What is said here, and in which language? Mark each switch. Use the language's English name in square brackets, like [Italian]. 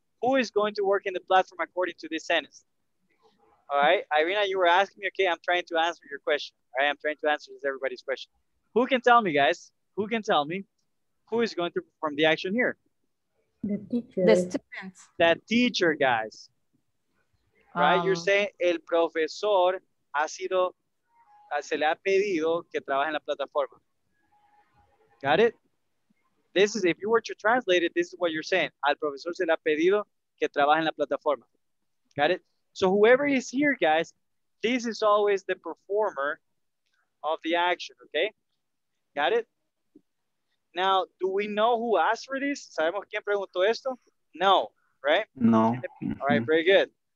[English] Who is going to work in the platform according to this sentence? All right. Irina, you were asking me. Okay, I'm trying to answer your question. All right, I'm trying to answer everybody's question. Who can tell me, guys? Who can tell me who is going to perform the action here? The teacher. The students. The teacher, guys. Right? You're saying [Spanish] el profesor ha sido, se le ha pedido que trabaje en la plataforma. [English] Got it? This is, if you were to translate it, this is what you're saying. [Spanish] Al profesor se le ha pedido que trabaje en la plataforma. [English] Got it? So whoever is here, guys, this is always the performer of the action, okay? Got it? Now, do we know who asked for this? [Spanish] ¿Sabemos quién preguntó esto? [English] No, right? No. All right, very good.